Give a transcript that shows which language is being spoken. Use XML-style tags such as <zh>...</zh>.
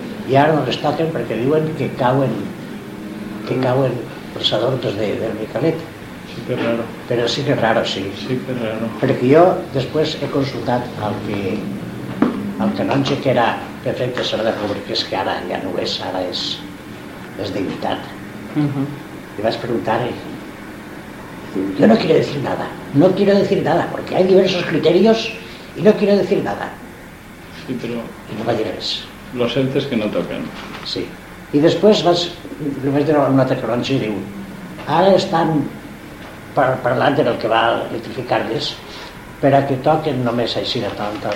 <ca>I ara no destaquen perquè diuen que cauen els adornos del Micalet. Sí, que raro. Però sí que raro, sí. Sí, que raro. Perquè jo després he consultat el canonge que era prefecte de Sagrada República, que és que ara ja no ho és, ara és divinitat. I vaig preguntar-li, jo</ca> <es>no quiero decir nada, no quiero decir nada, porque hay diversos criterios y no quiero decir nada.</es> <ca>Sí, però... I no va dir res. Lo sento es que no toquen. Sí. I després vaig dir a un altre canonge i diu, ara estan parlant del que va electrificar-les per a que toquen només així, tal.</ca>